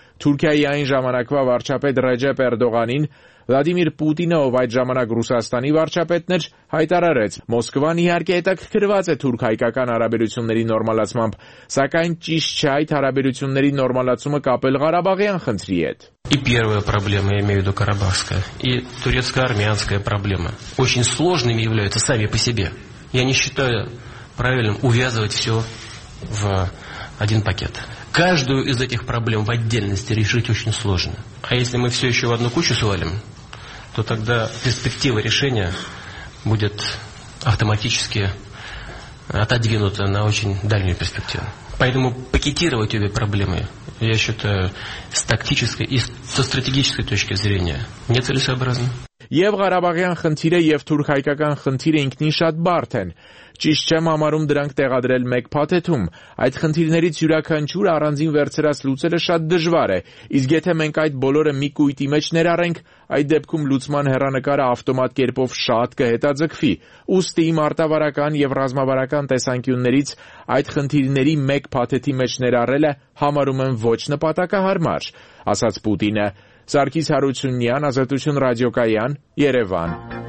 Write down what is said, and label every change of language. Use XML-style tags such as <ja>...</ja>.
<hy>Թուրքիայի այն ժամանակվա վարչապետ Ռեջեփ Էրդողանին, Վլադիմիր Պուտինը, ով այդ ժամանակ Ռուսաստանի վարչապետն էր, հայտարարեց. Մոսկվան իհարկե հետաքրքրված է թուրք-հայկական հարաբերությունների նորմալացմամբ, սակայն ճիշտ չէ այդ հարաբերությունների նորմալացումը կապել Ղարաբաղյան խնդրի հետ.</hy> <ru>И первая проблема, я имею в виду Карабахская, и турецко-армянская проблема, очень сложными являются сами по себе. Я не считаю правильным увязывать все в один пакет. Каждую из этих проблем в отдельности решить очень сложно. А если мы все еще в одну кучу свалим, то тогда перспектива решения будет автоматически отодвинута на очень дальнюю перспективу. Поэтому пакетировать обе проблемы, я считаю, с тактической и со стратегической точки зрения нецелесообразно.</ru> <hy>Եվ Ղարաբաղյան խնդիրը եւ թուրք-հայկական խնդիրը ինքնին շատ բարդ են։ Ճիշտ չեմ համարում դրանք տեղադրել մեկ փաթեթում։ Այդ խնդիրներից յուրաքանչյուր առանձին վերցրած լուծելը շատ դժվար է։ Իսկ եթե մենք այդ բոլորը մի կույտի մեջ ներառենք, այդ դեպքում լուծման հեռանկարը ավտոմատ կերպով շատ կհետաձգվի։ Ուստի իմ արտավարական եւ ռազմավարական տեսանկյուններից այդ խնդիրների մեկ փաթեթի մեջ ներառելը համարում եմ ոչ նպատակահարմար, ասաց Պուտինը։ Սարգիս Հարությունյան, Ազատություն ռադիոկայան, Երևան։</hy>